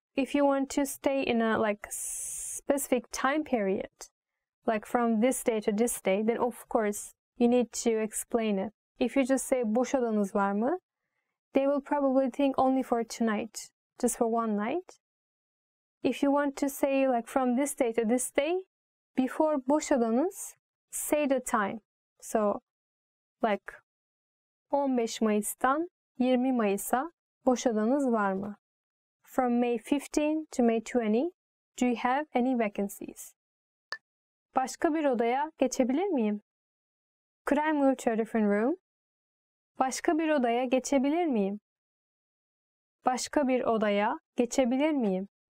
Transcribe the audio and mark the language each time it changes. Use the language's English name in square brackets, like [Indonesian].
[English] If you want to stay in a like specific time period, like from this day to this day, then of course you need to explain it. If you just say [Turkish] boş odanız var mı, [English] they will probably think only for tonight, just for one night. If you want to say like from this day to this day, before [Turkish] boş odanız, [English] say the time. So like [Turkish] 15 Mayıs'tan 20 Mayıs'a boş odanız var mı? [English] From May 15 to May 20, do you have any vacancies? [Turkish] Başka bir odaya geçebilir miyim? [English] Could I move to a different room? [Turkish] Başka bir odaya geçebilir miyim? Başka bir odaya geçebilir miyim?